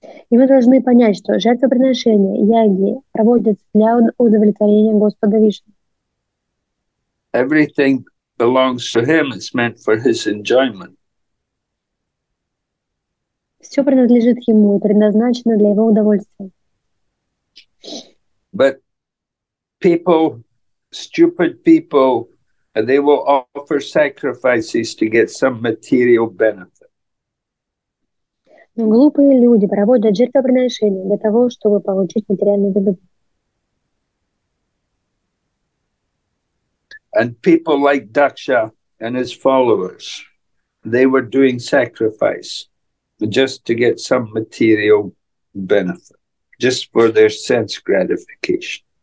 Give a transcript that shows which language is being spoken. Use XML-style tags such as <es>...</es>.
<ru>И мы должны понять, что жертвоприношения, яги проводятся для удовлетворения Господа Вишну.</ru> <en>Everything belongs to him. It's meant for his enjoyment.</en> <ru>Все принадлежит ему и предназначено для его удовольствия.</ru> <en>But people, stupid people, they will offer sacrifices to get some material benefit.</en> <ru>Но глупые люди проводят жертвоприношения для того, чтобы получить материальный выгоду.</ru> <en>And people like Daksha and his followers, they were doing sacrifice just to get some material benefit, just for their sense gratification.</en>